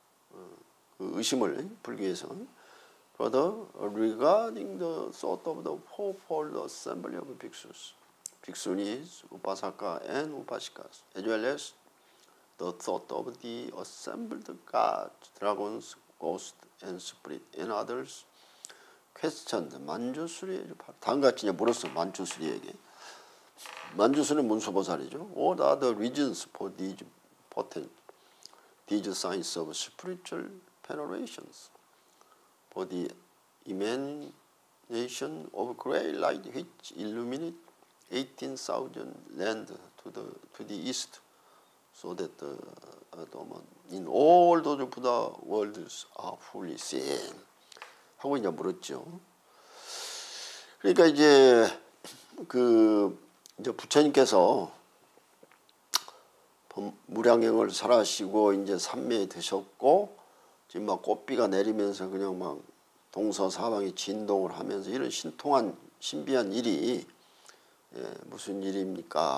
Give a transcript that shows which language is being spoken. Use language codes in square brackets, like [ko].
[ko] 그 의심을 풀기 위해서 [en] Brother, regarding the thought of the fourfold assembly of bhikshus, bhikshunis, upasaka and upasikas, as well as the thought of the assembled gods, dragons, ghosts, and spirits, and others, questioned [ko] 만주수리에게 바로 다음같이 물었어. 만주수리에게. 만주수리는 문수보살이죠. [en] What are the reasons for these potent, these signs of spiritual penetrations? For the emanation of great light which illuminate 18,000 land to the east. So that the dawn in all those Buddha worlds are fully seen. [ko] 하고 이제 물었죠. 그러니까 이제 그 이제 부처님께서 무량행을 살아시고 이제 삼매에 드셨고 지금 막 꽃비가 내리면서 그냥 막 동서사방이 진동을 하면서 이런 신통한 신비한 일이 예, 무슨 일입니까?